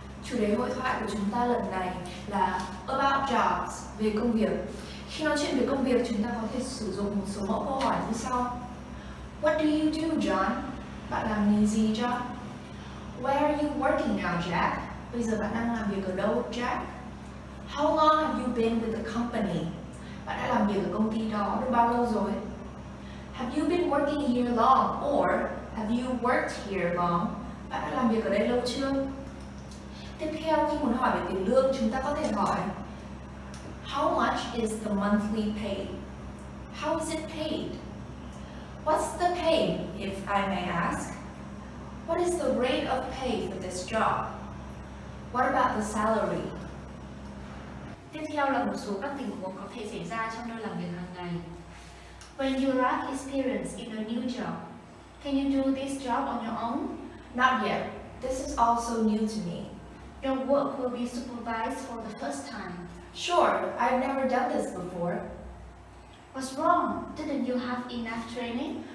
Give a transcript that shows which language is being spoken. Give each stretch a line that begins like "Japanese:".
Vietnamese: Chủ đề hội thoại của chúng ta lần này là
English: about jobs,
Vietnamese: về công việc. Khi nói chuyện về công việc, chúng ta có thể sử dụng một số mẫu câu hỏi như sau.
English: What do you do, John?
Vietnamese: Bạn làm gì, John?
English: Where are you working now, Jack?
Vietnamese: Bây giờ bạn đang làm việc ở đâu, Jack?
English: How long have you been with the company?
Vietnamese: Bạn đã làm việc ở công ty đó được bao lâu rồi?
English: Have you been working here long, or have you worked here long?
Vietnamese: Bạn đã làm việc ở đây lâu chưa? Tiếp theo, khi muốn hỏi về tiền lương, chúng ta có thể hỏi
English: How much is the monthly pay? How is it paid? What's the pay, if I may ask? What is the rate of pay for this job? What about the salary?
Vietnamese: Tiếp theo là một số các tình huống có thể xảy ra trong nơi làm việc hàng ngày.
English: When you lack experience in a new job, can you do this job on your own? Not yet. This is also new to me. Your work will be supervised for the first time. Sure, I've never done this before. What's wrong? Didn't you have enough training?